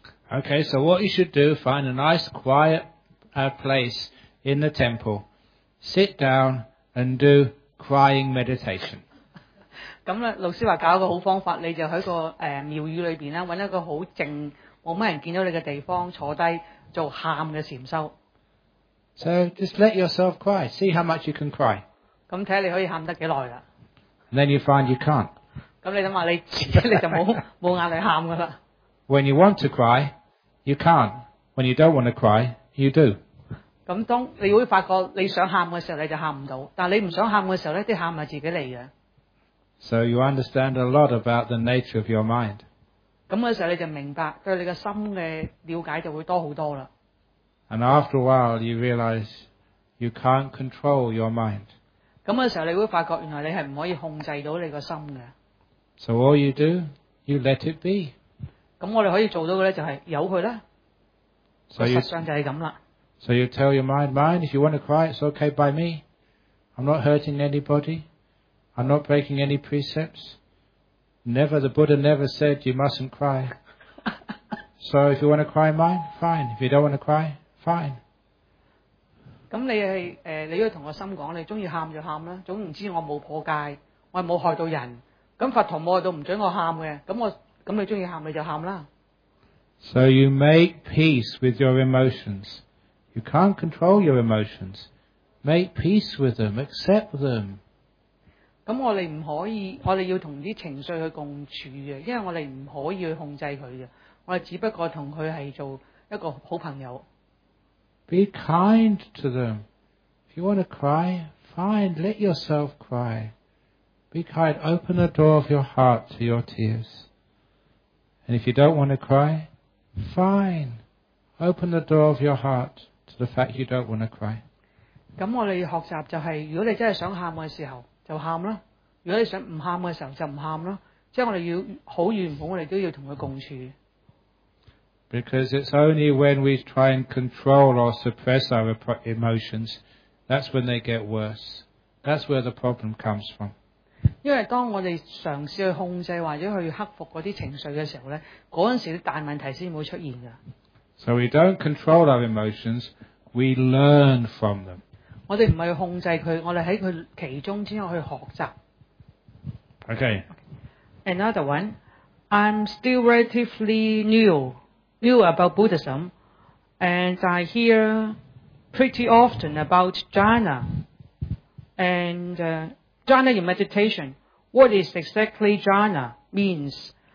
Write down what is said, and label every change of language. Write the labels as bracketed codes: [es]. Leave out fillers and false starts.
[en] Okay, so what you should do, find a nice quiet place in the temple, sit down and do crying meditation. [yue] 咁老師話搞一個好方法，你就喺個廟宇裏面啦，搵一個好靜冇乜人見到你嘅地方，坐低做喊嘅禅修。 [en] So just let yourself cry, see how much you can cry. [yue] 咁睇下你可以喊得幾耐啦。 [en] Then you find you can't. [yue] 咁你諗下你自己你就冇眼嚟喊㗎啦。 [en] When you want to cry, you can't. When you don't want to cry, you do. [yue] 咁當你會發覺你想喊嘅時候你就喊唔到，但你唔想喊嘅時候呢，啲喊係自己嚟嘅。 [en] So you understand a lot about the nature of your mind. [yue] 咁嘅時候你就明白，對你嘅心嘅了解就會多好多啦。 [en] And after a while you realize you can't control your mind. [yue] 咁嘅時候你會發覺原來你係唔可以控制到你個心嘅。 [en] So all you do, you let it be. [yue] 咁我哋可以做到嘅咧就係由佢啦。 [en] So you, [yue] 實相就係咁啦。 [en] So you tell your mind, if you want to cry, it's okay by me. I'm not hurting anybody. I'm not breaking any precepts. Never, the Buddha never said you mustn't cry. So if you want to cry, mine, fine. If you don't want to cry, fine. [yue] 咁你係你要同個心講，你中意喊就喊啦。總言之，我冇破戒，我冇害到人。咁佛陀冇害到唔準我喊嘅。咁你中意喊你就喊啦。 [en] So you make peace with your emotions. You can't control your emotions. Make peace with them. Accept them. [yue] 咁我哋唔可以，我哋要同啲情緒去共處嘅，因為我哋唔可以去控制佢嘅，我哋只不過同佢係做一個好朋友。 [en] Be kind to them. If you want to cry, fine, let yourself cry. Be kind, open the door of your heart to your tears. And if you don't want to cry, fine, open the door of your heart to the fact you don't want to cry. [yue] 咁我哋學習就係，如果你真係想喊嘅時候就喊啦，如果你想唔喊嘅时候就唔喊啦，即係我哋要好与唔好我哋都要同佢共处。 [en] Because it's only when we try and control or suppress our emotions, that's when they get worse. That's where the problem comes from. [yue] 因为当我哋尝试去控制或者去克服嗰啲情绪嘅时候呢，嗰陣时啲大问题先会出现㗎。 [en] So we don't control our emotions, we learn from them. [yue] 我哋唔係控制佢，我哋喺佢其中先去學習。 [en] Okay. Another one. I'm still relatively new about Buddhism, and I hear pretty often about jhana. And jhana in meditation. What is exactly jhana means?